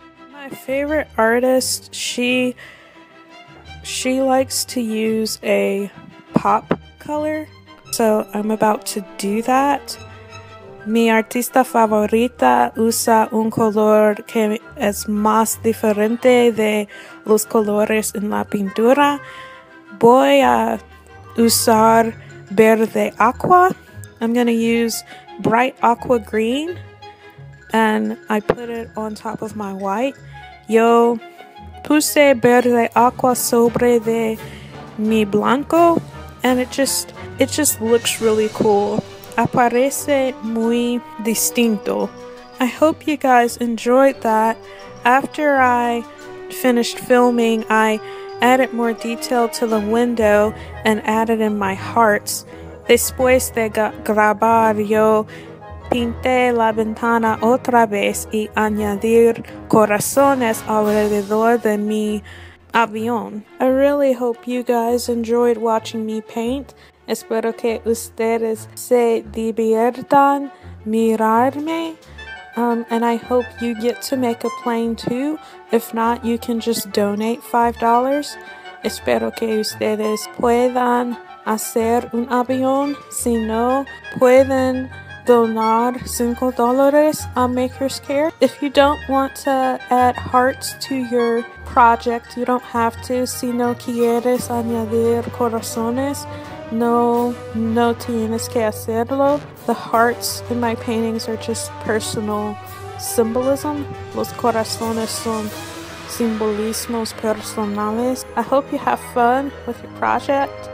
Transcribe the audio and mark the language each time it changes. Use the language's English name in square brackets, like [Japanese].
[English] My favorite artist, she likes to use a pop color, so I'm about to do that. [Spanish] Mi artista favorita usa un color que es más diferente de los colores en la pintura. Voy a usar verde agua. [English] I'm gonna use bright aqua green, and I put it on top of my white. [Spanish] Yo puse verde agua sobre de mi blanco, [English] and it just looks really cool. [Spanish] Aparece muy distinto. [English] I hope you guys enjoyed that. After I finished filming, I added more detail to the window and added in my hearts. [Spanish] Después de grabar, yo pinté la ventana otra vez y añadir corazones alrededor de mi avión. [English] I really hope you guys enjoyed watching me paint. [Spanish] Espero que ustedes se diviertan mirarme. [English] And I hope you get to make a plane too. If not, you can just donate $5. [Spanish] Espero que ustedes puedan hacer un avión. Si no, pueden donar $5 a Maker's Care. [English] If you don't want to add hearts to your project, you don't have to. [Spanish] Si no quieres añadir corazones, no tienes que hacerlo. [English] The hearts in my paintings are just personal symbolism. [Spanish] Los corazones son simbolismos personales. [English] I hope you have fun with your project.